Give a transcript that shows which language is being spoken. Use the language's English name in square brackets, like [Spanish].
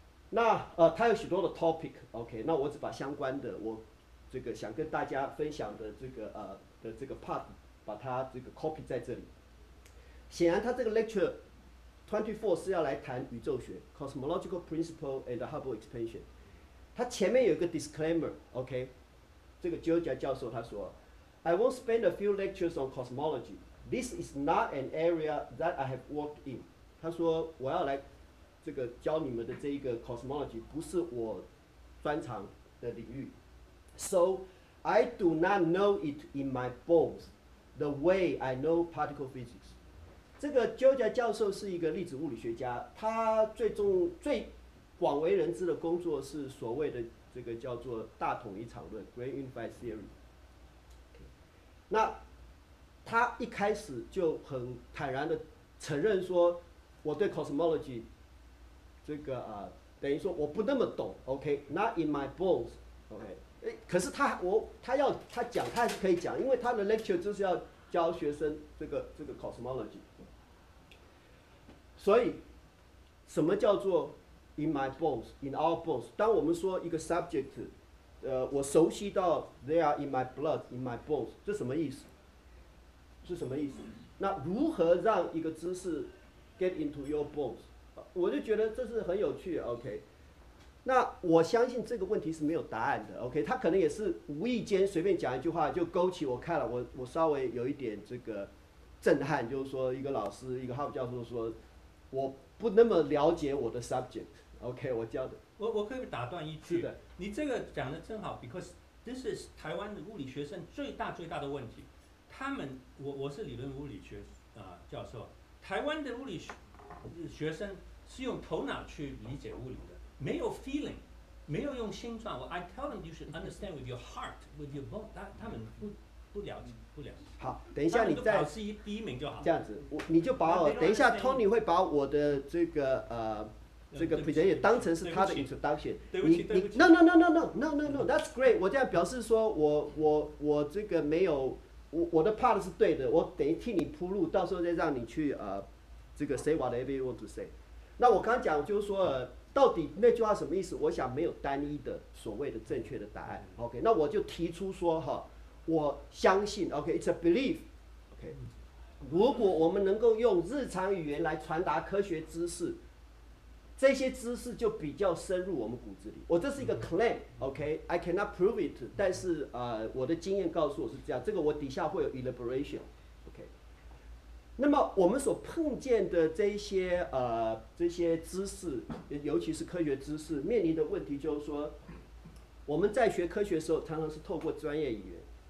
[Chinese] 那他有许多的 topic，OK、okay,。那我只把相关的我这个想跟大家分享的这个的这个 part， 把它这个 copy 在这里。显然，他这个 lecture 24是要来谈宇宙学 [English] cosmological principle and Hubble expansion。 [Chinese] 他前面有一个 disclaimer，OK、okay?。这个 Georgia 教授他说 [English] ，I won't spend a few lectures on cosmology. This is not an area that I have worked in. [Chinese] 他说我要来这个教你们的这一个 cosmology 不是我专长的领域 [English] ，so I do not know it in my bones the way I know particle physics. [Chinese] 这个 Georgia 教授是一个粒子物理学家，他最广为人知的工作是所谓的。这个叫做大统一场论 Grand Unified Theory。Okay. 那他一开始就很坦然的承认说，我对 cosmology 这个等于说我不那么懂 ，OK， [English] not in my bones， [Chinese] OK。可是他讲，他还是可以讲，因为他的 lecture 就是要教学生这个 cosmology。所以，什么叫做？ [English] In my bones, in our bones. [Chinese] 当我们说一个 subject， 我熟悉到 [English] they are in my blood, in my bones， [Chinese] 这什么意思？是什么意思？那如何让一个知识 [English] get into your bones？ [Chinese] 我就觉得这是很有趣。OK， 那我相信这个问题是没有答案的。 OK， 他可能也是无意间随便讲一句话就勾起我看了，我稍微有一点这个震撼，就是说一个老师，一个哈佛教授说，我。不那么了解我的 subject， OK， 我教的。我可以打断一句。是的，你这个讲的正好， [English] because this is [Chinese] 台湾的物理学生最大最大的问题。他们，我是理论物理学教授，台湾的物理 学生是用头脑去理解物理的，没有 feeling， 没有用心脏。 [English] I tell them you should understand with your heart, with your bone。 [Chinese] 他们不了解。好，等一下你再考试第一名就好。这样子，你就把我等一下 ，Tony 会把我的这个 presentation 当成是他的 introduction。对不起。 [English] No, that's great。 [Chinese] 我这样表示说我这个没有我的 part 是对的，我等于替你铺路，到时候再让你去这个 [English] say whatever you want to say。 [Chinese] 那我刚讲就是说到底那句话什么意思？我想没有单一的所谓的正确的答案。 OK， 那我就提出说哈。我相信 [English] ，OK， it's a belief， OK。 [Chinese] 如果我们能够用日常语言来传达科学知识，这些知识就比较深入我们骨子里。我这是一个 claim， OK， [English] I cannot prove it， [Chinese] 但是我的经验告诉我是这样。这个我底下会有 elaboration， OK。那么我们所碰见的这些知识，尤其是科学知识，面临的问题就是说，我们在学科学的时候，常常是透过专业语言。